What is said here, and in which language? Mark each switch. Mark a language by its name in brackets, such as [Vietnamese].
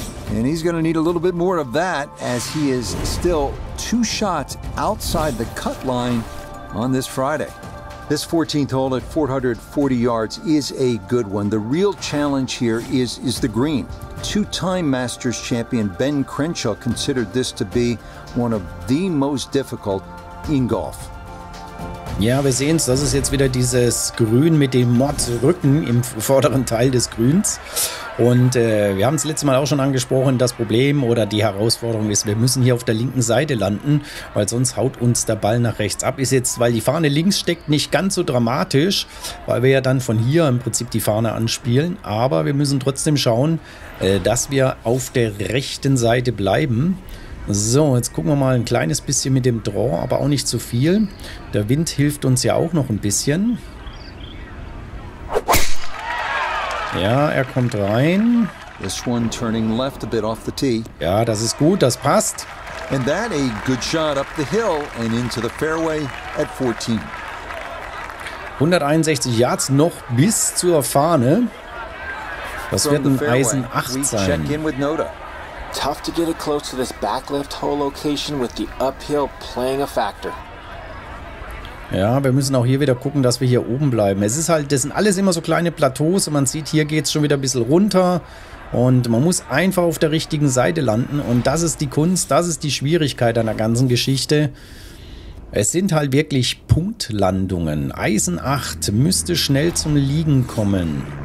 [English] And he's going to need a little bit more of that as he is still two shots outside the cut line on this Friday. This 14th hole at 440 yards is a good one. The real challenge here is the green. Two-time Masters champion Ben Crenshaw considered this to be one of the most difficult in golf. [German] Ja, wir sehen es. Das ist jetzt wieder dieses Grün mit dem Mordsrücken im vorderen Teil des Grüns. Und wir haben es letztes Mal auch schon angesprochen, das Problem oder die Herausforderung ist, wir müssen hier auf der linken Seite landen, weil sonst haut uns der Ball nach rechts ab. Ist jetzt, weil die Fahne links steckt, nicht ganz so dramatisch, weil wir ja dann von hier im Prinzip die Fahne anspielen. Aber wir müssen trotzdem schauen, dass wir auf der rechten Seite bleiben. So, jetzt gucken wir mal ein kleines bisschen mit dem Draw, aber auch nicht zu viel. Der Wind hilft uns ja auch noch ein bisschen. Ja, er kommt rein. [English] This one turning left a bit off the tee. [German] Ja, das ist gut, das passt. [English] And that a good shot up the hill and into the fairway at 14. [German] 161 Yards noch bis zur Fahne. Das wird ein Eisen 8 sein. [English] Check in with Noda. Tough to get it close to this back left hole location with the uphill playing a factor. [German] Ja, wir müssen auch hier wieder gucken, dass wir hier oben bleiben. Es ist halt, das sind alles immer so kleine Plateaus und man sieht, hier geht es schon wieder ein bisschen runter und man muss einfach auf der richtigen Seite landen und das ist die Kunst, das ist die Schwierigkeit an der ganzen Geschichte. Es sind halt wirklich Punktlandungen. Eisen 8 müsste schnell zum Liegen kommen.